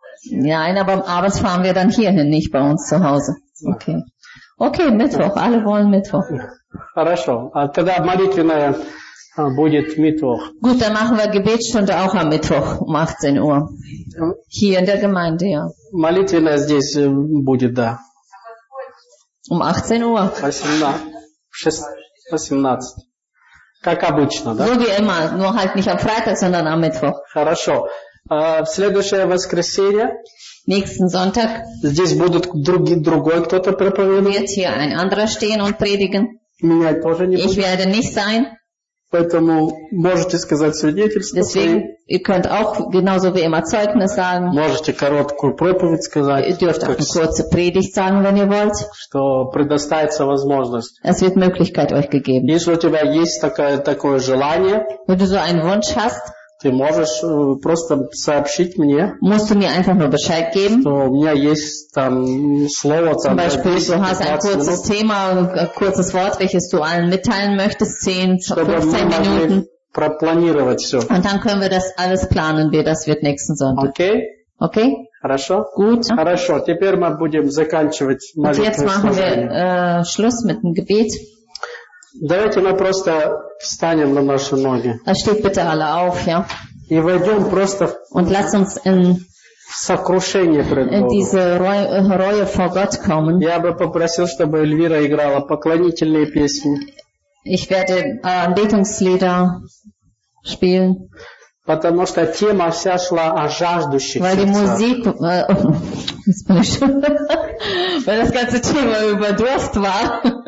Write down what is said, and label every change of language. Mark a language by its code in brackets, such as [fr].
[de] Nein, aber abends fahren wir dann hierhin, nicht bei uns zu Hause. Okay. Okay, Mittwoch. Alle wollen Mittwoch. [ru] Хорошо. Тогда молитвенная будет Mittwoch. [de] Gut, dann machen wir Gebetsstunde auch am Mittwoch um 18 Uhr. Hier in der Gemeinde, ja. [ru] Молитвенная здесь будет, да. [de] Um 18 Uhr. [ru] 18. Как обычно, да? [de] So wie immer, nur halt nicht am Freitag, sondern am Mittwoch. [ru] Хорошо. В следующее воскресенье. [de] Nächsten Sonntag. [ru] Здесь будут другой кто-то проповедовать. [de] Wird hier ein anderer stehen und predigen. [ru] Меня тоже не будет. [de] Ich werde nicht sein. [ru] Поэтому можете сказать свидетельство. [de] Deswegen, ihr könnt auch genauso wie immer Zeugnis sagen. [ru] Можете короткую проповедь сказать. [de] Ihr dürft auch eine kurze Predigt sagen, wenn ihr wollt. [ru] Что предоставится возможность. [de] Es wird Möglichkeit euch gegeben. [ru] Если у тебя есть такое желание, [de] wenn du so einen Wunsch hast, [ru] ты можешь просто сообщить мне, [de] musst du mir einfach nur Bescheid geben, [ru] что у меня есть там слово, [de] zum Beispiel, du hast ein kurzes Thema, ein kurzes Wort, welches du allen mitteilen möchtest, 10-15 Minuten. [ru] Пропланировать все. [de] Und dann können wir das alles planen, wie das wird nächsten Sonntag. [en] Okay? Okay? [ru] Хорошо? [de] Gut. [ru] Хорошо, теперь мы будем заканчивать молитву служение. [de] Jetzt machen wir Schluss mit dem Gebet. [ru] Давайте мы просто встанем на наши ноги. [de] Steht bitte alle auf, ja. [ru] И войдем просто [de] und lass uns [ru] в сокрушение пред Богом. [de] In diese Reue vor Gott kommen. [ru] Я бы попросил, чтобы Эльвира играла поклонительные песни. [de] Ich werde Anbetungslieder spielen. [ru] Потому что тема вся шла о жаждущих. [de] Weil die Musik, weil das ganze Thema über Durst war.